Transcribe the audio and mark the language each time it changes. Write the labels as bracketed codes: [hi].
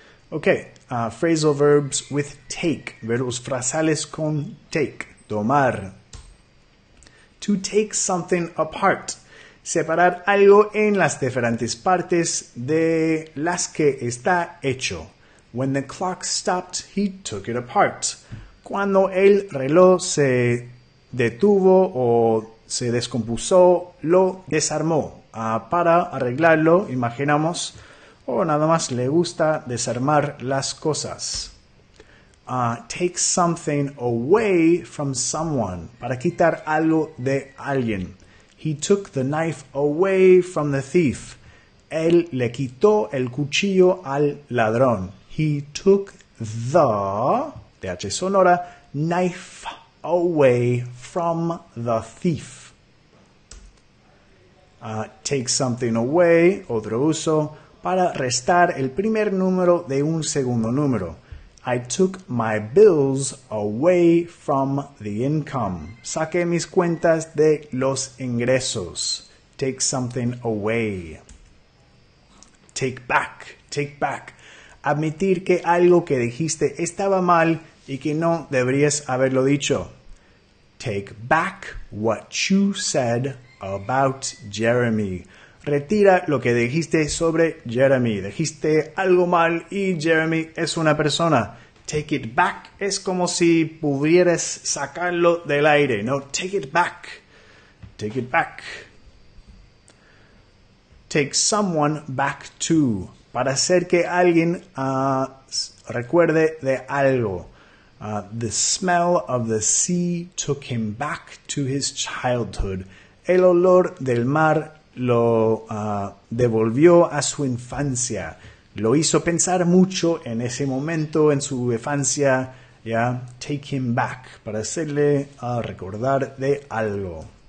[en] Ok, phrasal verbs with take, [es] verbos frasales con take, tomar. [en] To take something apart, [es] separar algo en las diferentes partes de las que está hecho. [en] When the clock stopped, he took it apart. [es] Cuando el reloj se detuvo o se descompuso, lo desarmó. Para arreglarlo, imaginamos, nada más le gusta desarmar las cosas. [en] Take something away from someone. [es] Para quitar algo de alguien. [en] He took the knife away from the thief. [es] Él le quitó el cuchillo al ladrón. [en] He took the, [es] TH sonora, [en] knife away from the thief. Take something away, [es] otro uso, para restar el primer número de un segundo número. [en] I took my bills away from the income. [es] Saqué mis cuentas de los ingresos. [en] Take something away. Take back, [es] admitir que algo que dijiste estaba mal y que no deberías haberlo dicho. [en] Take back what you said about Jeremy. [es] Retira lo que dijiste sobre Jeremy. Dijiste algo mal y Jeremy es una persona. [en] Take it back [es] es como si pudieras sacarlo del aire, ¿no? [en] Take it back. Take it back. Take someone back to. [es] Para hacer que alguien recuerde de algo. [en] The smell of the sea took him back to his childhood. [es] El olor del mar lo devolvió a su infancia. Lo hizo pensar mucho en ese momento, en su infancia. [en] Yeah? Take him back. [es] Para hacerle recordar de algo.